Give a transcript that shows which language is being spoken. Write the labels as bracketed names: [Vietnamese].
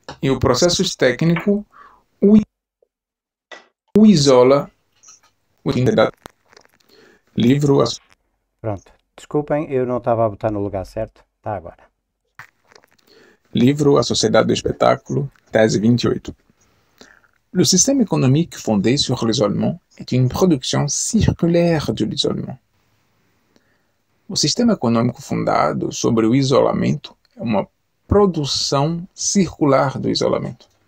[Portuguese] E o processo técnico o isola o integrado. Livro. Pronto. Desculpem, eu não estava a botar no lugar certo. Está agora. Livro A Sociedade do Espetáculo, tese 28. [French] Le système économique fondé sur l'isolement est une production circulaire de l'isolement. [Portuguese] O sistema econômico fundado sobre o isolamento é uma produção circular do isolamento.